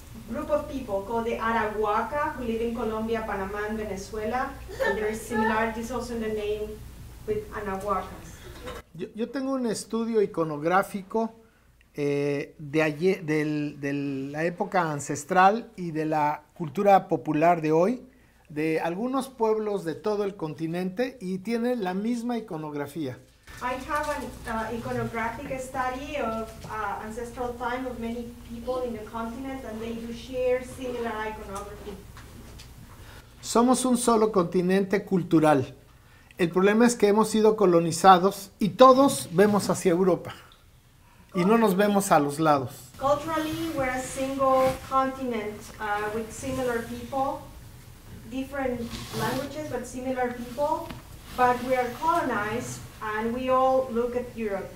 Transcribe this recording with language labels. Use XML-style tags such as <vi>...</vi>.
<en>group of people called the Arahuaca who live in Colombia, Panama, and Venezuela. And there is similarities also in the name with Anahuacas.</en> <es>Yo tengo un estudio iconográfico de ayer, de la época ancestral y de la cultura popular de hoy, de algunos pueblos de todo el continente, y tiene la misma iconografía.</es> <en>I have an iconographic study of ancestral time of many people in the continent, and they do share similar iconography.</en> <es>Somos un solo continente cultural. El problema es que hemos sido colonizados y todos vemos hacia Europa y no nos vemos a los lados.</es> <en>Culturally, we're a single continent with similar people, different languages, but similar people. But we are colonized and we all look at Europe.</en>